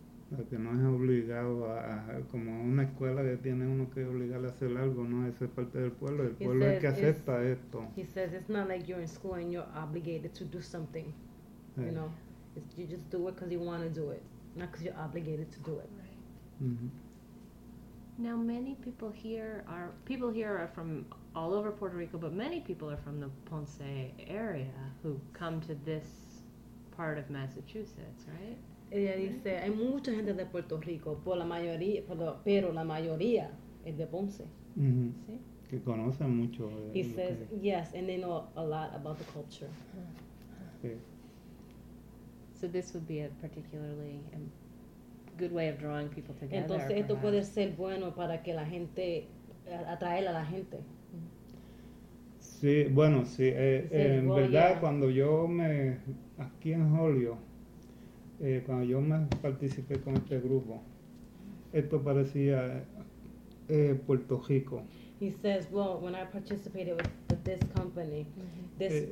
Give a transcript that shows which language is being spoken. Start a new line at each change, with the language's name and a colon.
Spanish: La que no es obligado a como una escuela que tiene uno que obligarle a hacer algo, no, eso es parte del pueblo. El pueblo es el que acepta esto.
English: He says it's not like you're in school and you're obligated to do something. Yeah. You know, it's, you just do it because you want to do it, not because you're obligated to do it. Right. Mm-hmm. Now, many people here are from all over Puerto Rico, but many people are from the Ponce area who come to this part of Massachusetts, right?
Spanish: Ella dice, hay mucha gente de Puerto Rico, pero la mayoría es de Ponce. Mm-hmm. ¿Sí? Que conocen mucho.
English: He says, yes, and they know a lot about the culture.
Spanish: Sí.
English: So this would be a particularly good way of drawing people together.
Spanish: Entonces
English: perhaps.
Spanish: Esto puede ser bueno para que la gente atraer a la gente. Sí, bueno, sí. En verdad, cuando yo me aquí en Hollywood, cuando yo me participé con este grupo, esto parecía Puerto Rico.
English: He says, well, when I participated with this company, this